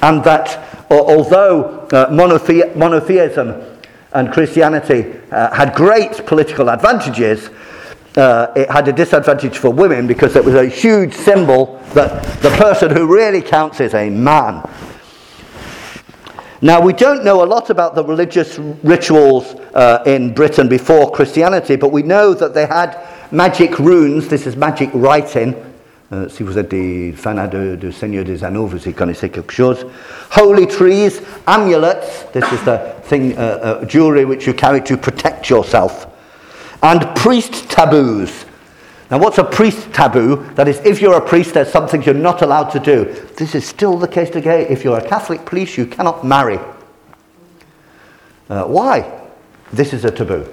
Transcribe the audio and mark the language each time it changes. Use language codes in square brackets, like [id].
[en] And that although monotheism and Christianity had great political advantages, it had a disadvantage for women because it was a huge symbol that the person who really counts is a man. Now, we don't know a lot about the religious rituals in Britain before Christianity, but we know that they had magic runes. This is magic writing. [fr] Si vous êtes des fans du Seigneur des Anneaux, vous y connaissez quelque chose. [en] Holy trees, amulets. This is the thing, jewelry which you carry to protect yourself. And priest taboos. Now, what's a priest taboo? That is, if you're a priest, there's some things you're not allowed to do. This is still the case today. If you're a Catholic priest, you cannot marry. Why? This is a taboo.